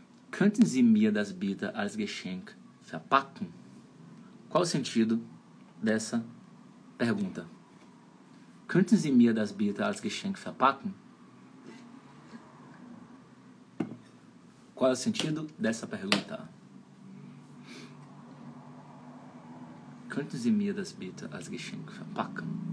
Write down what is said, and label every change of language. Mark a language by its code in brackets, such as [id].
[de] Könnten Sie mir das bitte als Geschenk verpacken? [pt] Qual o sentido dessa pergunta? [de] Könnten Sie mir das bitte als Geschenk verpacken? [pt] Qual é o sentido dessa pergunta? [de] Könnten Sie mir das bitte als Geschenk verpacken?